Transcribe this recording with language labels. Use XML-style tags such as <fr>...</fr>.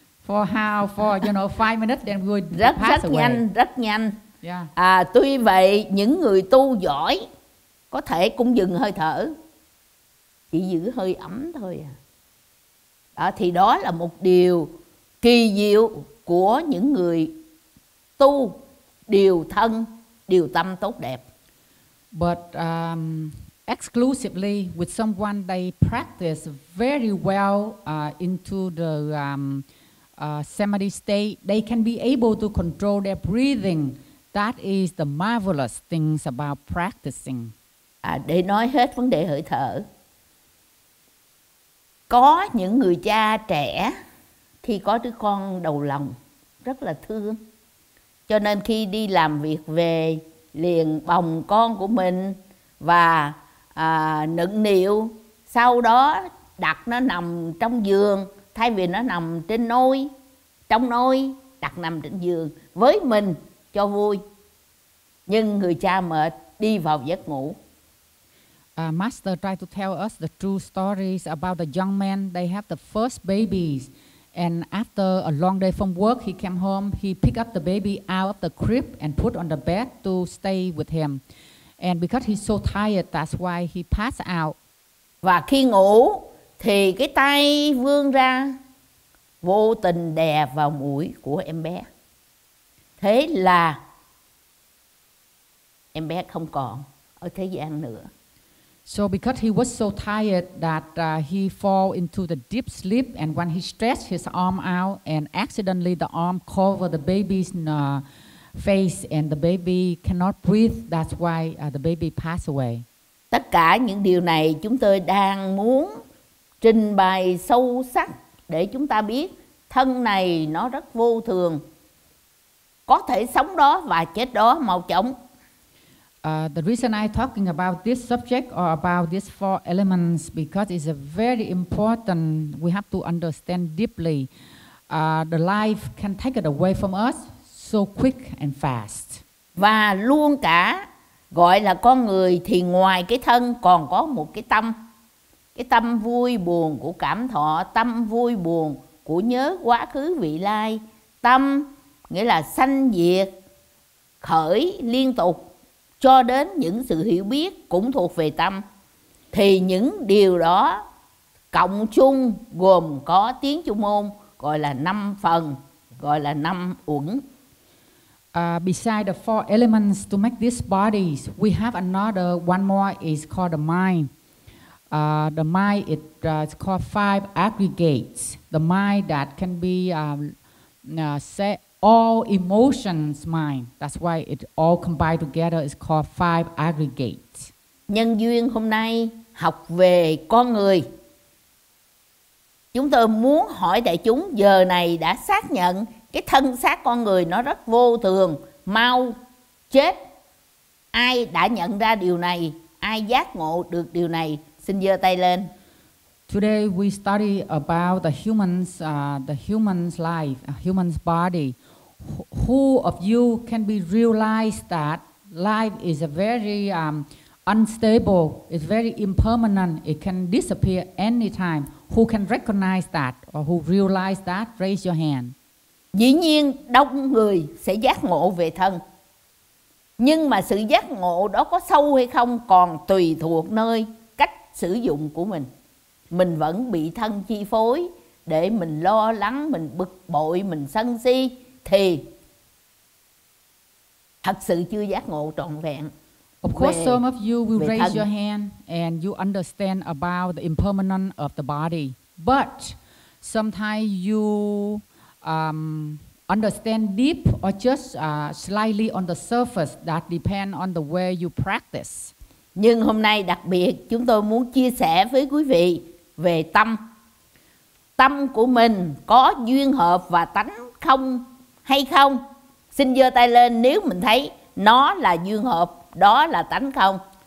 <en>For how? For you know, 5 minutes then we would</en> <vi>rất,</vi> <en>pass</en> <vi>rất</vi> <en>away.</en> <vi>Nhanh, rất nhanh.</vi> <en>Yeah.</en> <vi>À, tuy vậy những người tu giỏi có thể cũng dừng hơi thở, chỉ giữ hơi ấm thôi à. À, thì đó là một điều kỳ diệu của những người tu điều thân, điều tâm tốt đẹp.</vi> <en>But exclusively with someone they practice very well into the samadhi state, they can be able to control their breathing. That is the marvelous things about practicing.</en> <vi>À, để nói hết vấn đề hơi thở. Có những người cha trẻ thì có đứa con đầu lòng rất là thương, cho nên khi đi làm việc về liền bồng con của mình và nựng niệu, sau đó đặt nó nằm trong giường thay vì nó nằm trên nôi, trong nôi đặt nằm trên giường với mình cho vui. Nhưng người cha mệt đi vào giấc ngủ.</vi> <en>Master tried to tell us the true stories about the young man. They have the first babies, and after a long day from work, he came home. He picked up the baby out of the crib and put on the bed to stay with him. And because he's so tired, that's why he passed out.</en> <vi>Và khi ngủ, thì cái tay vươn ra vô tình đè vào mũi của em bé. Thế là em bé không còn ở thế gian nữa.</vi> <en>So because he was so tired that he fall into the deep sleep, and when he stretched his arm out and accidentally the arm covered the baby's face and the baby cannot breathe, that's why the baby passed away.</en> <vi>Tất cả những điều này chúng tôi đang muốn trình bày sâu sắc để chúng ta biết thân này nó rất vô thường, có thể sống đó và chết đó mau chóng.</vi> <en>The reason I'm talking about this subject or about these four elements because it's a very important. We have to understand deeply. The life can take it away from us so quick and fast.</en> <vi>Và luôn cả gọi là con người thì ngoài cái thân còn có một cái tâm vui buồn của cảm thọ, tâm vui buồn của nhớ quá khứ vị lai, tâm nghĩa là sanh diệt khởi liên tục. Cho đến những sự hiểu biết cũng thuộc về tâm. Thì những điều đó cộng chung gồm có tiếng Trung môn gọi là năm phần, gọi là năm uẩn.</vi> <en>Beside the four elements to make these bodies, we have another one more is called the mind. The mind it, it's called five aggregates. The mind that can be set. All emotions, mind. That's why it all combined together is called five aggregates.</en> <vi>Nhân duyên hôm nay học về con người. Chúng tôi muốn hỏi đại chúng giờ này đã xác nhận cái thân xác con người nó rất vô thường, mau chết. Ai đã nhận ra điều này, ai giác ngộ được điều này, xin giơ tay lên.</vi> <en>Today we study about the human's life, a human's body. Who of you can be realize that life is a very unstable, it's very impermanent, it can disappear anytime. Who can recognize that or who realize that? Raise your hand.</en> <vi>Dĩ nhiên đông người sẽ giác ngộ về thân. Nhưng mà sự giác ngộ đó có sâu hay không còn tùy thuộc nơi cách sử dụng của mình. Mình vẫn bị thân chi phối để mình lo lắng, mình bực bội, mình sân si. Thì thật sự chưa giác ngộ trọn vẹn.</vi> <en>Of course,</en> <vi>về,</vi> <en>some of you will raise your hand and you understand about the impermanence of the body. But sometimes you understand deep or just slightly on the surface. That depends on the way you practice.</en> <vi>Nhưng hôm nay đặc biệt chúng tôi muốn chia sẻ với quý vị về tâm. Tâm của mình có duyên hợp và tánh không hay không? Xin giơ tay lên nếu mình thấy nó là duyên hợp, đó là tánh không.</vi>